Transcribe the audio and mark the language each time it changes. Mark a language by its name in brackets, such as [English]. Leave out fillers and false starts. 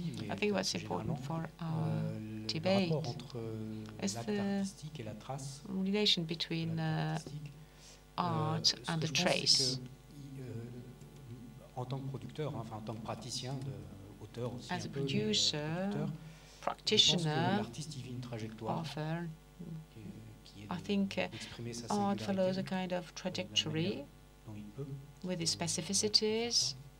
[English] I think what's important for our debate is the relation between art and the trace. [French] En tant que producteur, enfin en tant que praticien, auteur aussi. [English] As a producer, practitioner, author. I think art follows a kind of trajectory with its specificities.